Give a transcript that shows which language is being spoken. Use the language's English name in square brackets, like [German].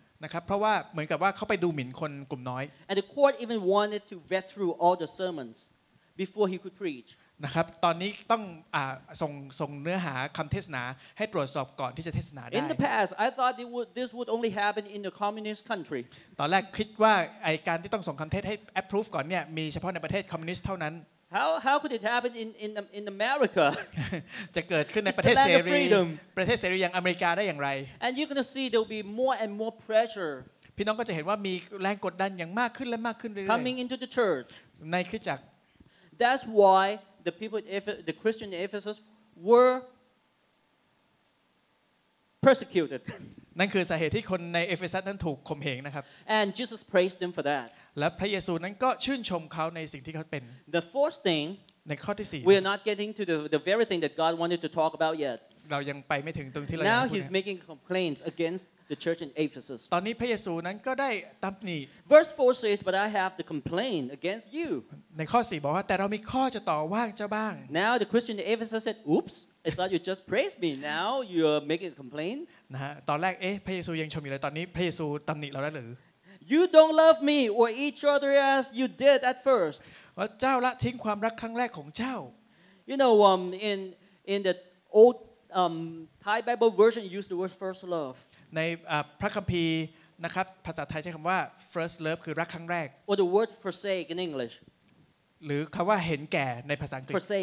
[Thai] นะครับเพราะว่าเหมือนกับว่าเขาไปดูหมิ่นคนกลุ่มน้อย [English] And the court even wanted to vet through all the sermons before he could preach [Thai] นะครับตอนนี้ต้องส่งเนื้อหาคําเทศนาให้ตรวจสอบก่อนที่จะเทศนาได้ [English] In the past I thought this would only happen in the communist country [Thai] ตอนแรกคิดว่าไอ้การที่ต้องส่งคําเทศให้ approve ก่อนเนี่ยมีเฉพาะในประเทศคอมมิวนิสต์เท่านั้น [English] How could it happen in America [Thai] จะเกิดขึ้นในประเทศเสรีประเทศเสรีอย่างอเมริกาได้อย่างไร [English] And you're going to see there'll be more and more pressure [Thai] พี่น้องก็จะเห็นว่ามีแรงกดดันอย่างมากขึ้นและมากขึ้นเรื่อยๆ [English] Coming into the church [Thai] ในคริสตจักร [English] That's why the people in the Christian Ephesus were persecuted [Thai] นั่นคือสาเหตุที่คนในเอเฟซัสนั้นถูกข่มเหงนะครับ [English] And Jesus praised them for that [Thai] และพระเยซูนั้นก็ชื่นชมเขาในสิ่งที่เขาเป็น [English] The fourth thing [Thai] ในข้อที่สี่ [English] We are not getting to the very thing that God wanted to talk about yet [Thai] เรายังไปไม่ถึงตรงที่เร [English] า Now he's making complaints against the church in Ephesus [Thai] ตอนนี้พระเยซูนั้นก็ได้ตำหนิ [English] Verse 4 says but I have the complaint against you [Thai] ในข้อสี่บอกว่าแต่เรามีข้อจะต่อว่าเจ้าบ้าง [English] Now the Christian in Ephesus said oops I thought you just praised me now you're making a complaint [Thai] นะฮะตอนแรกเอ๊ะพระเยซูยังชมอยู่เลยตอนนี้พระเยซูตำหนิเราแล้วหรือ [English] You don't love me or each other as you did at first. [Thai] ว่าเจ้าละทิ้งความรักครั้งแรกของเจ้า [English] You know in the old Thai Bible version used the word first love. [Thai] ในพระคัมภีร์นะครับภาษาไทยใช้คําว่า first love คือรักครั้งแรก [English] Or the word forsake in English. [Thai] หรือคําว่าเห็นแก่ในภาษาอังกฤษ